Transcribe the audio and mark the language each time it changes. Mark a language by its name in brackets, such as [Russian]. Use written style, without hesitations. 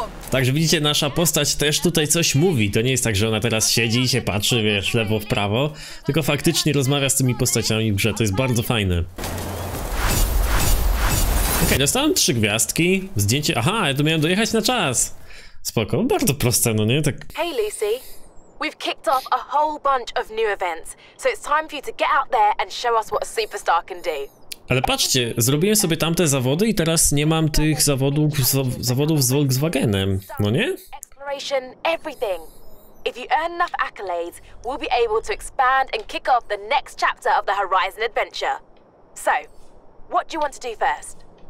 [Polish] Także widzicie, nasza postać też tutaj coś mówi. To nie jest tak, że ona teraz siedzi i się patrzy, wiesz, w lewo, w prawo. Tylko faktycznie rozmawia z tymi postaciami w grze. To jest bardzo fajne. Okej, dostałem 3 gwiazdki. Zdjęcie... Aha, ja tu miałem dojechać na czas. Spoko, bardzo proste, no nie? Tak... [English] Hey Lucy, we've kicked off a whole bunch of new events, so it's time for you to get out there and show us what a superstar can do. [Polish] Ale patrzcie, zrobiłem sobie tamte zawody i teraz nie mam tych zawodów z Volkswagenem, no nie? [English] Exploration, everything. If you earn enough accolades, we'll be able to expand and kick off the next chapter of the Horizon Adventure. So, what do you want to do first?